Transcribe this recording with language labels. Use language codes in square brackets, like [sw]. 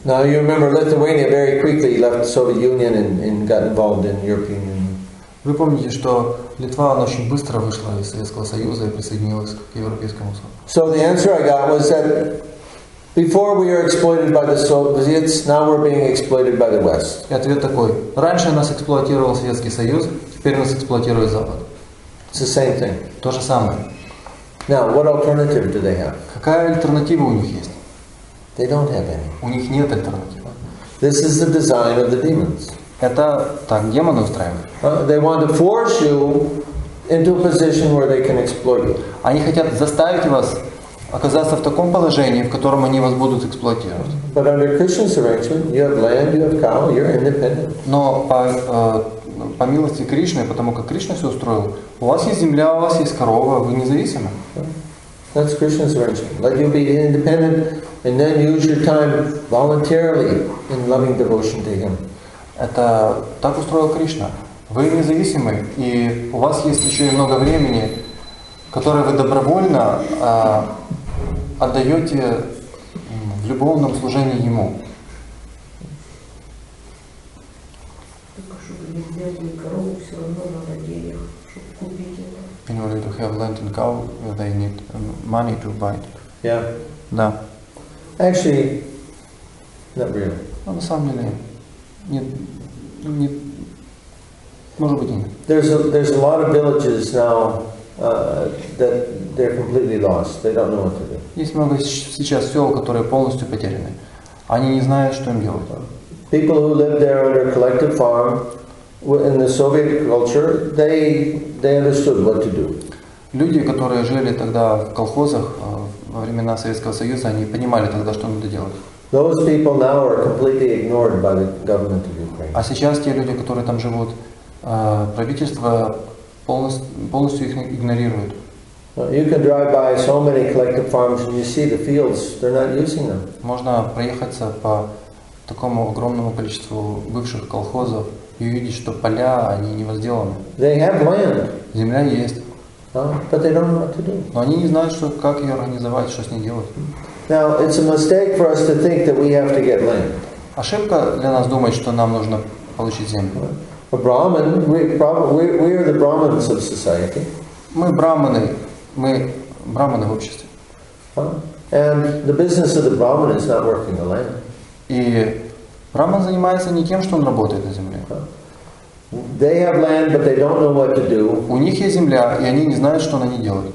[en] Now you remember Lithuania very quickly left the Soviet Union and got involved in European Union. [ru] Вы помните, что Литва очень быстро вышла из Советского Союза и присоединилась к Европейскому Союзу. [en] So the answer I got was that before we are exploited by the Soviets, now we're being exploited by the West. [ru] И ответ такой: раньше нас эксплуатировал Советский Союз, теперь нас эксплуатирует Запад. [en] It's the same thing. [ru] То же самое. [en] Now, what alternative do they have? [ru] Какая альтернатива у них есть? [en] They don't have any. [ru] У них нет альтернативы. [en] This is the design of the demons. [ru] Это так демоны устраивают. [en] They want to force you into a position where they can exploit you. [ru] Они хотят заставить вас оказаться в таком положении, в котором они вас будут эксплуатировать. [en] But under Krishna's arrangement, you have land, you have cow, you're independent. [ru] Но по милости Кришны, потому как Кришна все устроил, у вас есть земля, у вас есть корова, вы независимы. [en] That's Krishna's arrangement. Let you be independent and then use your time voluntarily in loving devotion to Him. [ru] Это так устроил Кришна. Вы независимы, и у вас есть еще и много времени, которое вы добровольно отдаете в любовном служении Ему. Только чтобы не взять ни корову, все равно надо денег, чтобы купить это. [en] In order to have land and cow, they need money to buy it. Yeah. [ru] Да. [en] Actually, not really. [ru] Ну, на самом деле, нет, не, может быть, нет. [en] There's a lot of villages now that they're completely lost. They don't know what to do. [ru] Есть много сейчас сел, которые полностью потеряны. Они не знают, что им делать. [en] People who lived there on their collective farm in the Soviet culture, they understood what to do. [ru] Люди, которые жили тогда в колхозах во времена Советского Союза, они понимали тогда, что надо делать. [en] Those people now are completely ignored by the government of Ukraine. [ru] А сейчас те люди, которые там живут, правительство полностью их игнорирует. [en] You can drive by so many collective farms and you see the fields, they're not using them. [ru] Можно проехаться по такому огромному количеству бывших колхозов и увидеть, что поля, они не возделаны. [en] They have land. [ru] Земля есть. [en] But they don't know what to do. [ru] Но они не знают, что, как ее организовать, что с ней делать. [en] Now, it's a mistake for us to think that we have to get land. [ru] Ошибка для нас думать, что нам нужно получить землю. [en] A Brahmin, we are the Brahmins of society. [ru] Мы брахманы в обществе. [en] And the business of the Brahmin is not working the land. [ru] И брахман занимается не тем, что он работает на земле. [en] They have land, but they don't know what to do. [ru] У них есть земля, и они не знают, что на ней делать.